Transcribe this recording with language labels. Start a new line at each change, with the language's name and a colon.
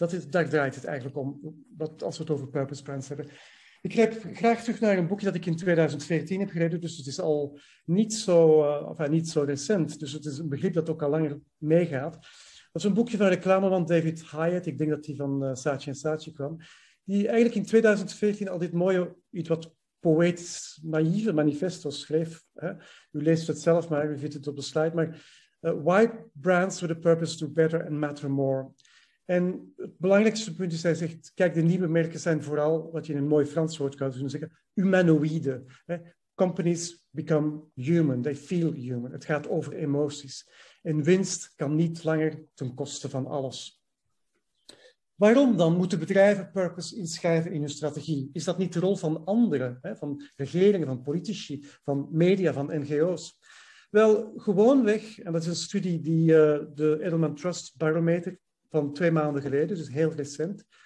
Dutch: Daar draait het eigenlijk om, als we het over purpose brands hebben. Ik grijp graag terug naar een boekje dat ik in 2014 heb gereden, dus het is al niet zo recent. Dus het is een begrip dat ook al langer meegaat. Dat is een boekje van reclameman David Hyatt. Ik denk dat die van Saatje en Saatje kwam. Die eigenlijk in 2014 al dit mooie, iets wat poëtisch, naïeve manifesto schreef. Hè? U leest het zelf maar, u vindt het op de slide. Maar
English: why brands with a purpose do better and matter more?
Dutch: En het belangrijkste punt is, hij zegt, kijk, de nieuwe merken zijn vooral, wat je in een mooi Frans woord kan doen, zeggen, humanoïde. Hè?
English: Companies become human, they feel human.
Dutch: Het gaat over emoties. En winst kan niet langer ten koste van alles. Waarom dan moeten bedrijven purpose inschrijven in hun strategie? Is dat niet de rol van anderen, hè? Van regeringen, van politici, van media, van NGO's? Wel, gewoonweg, en dat is een studie die de Edelman Trust Barometer, van 2 maanden geleden, dus heel recent.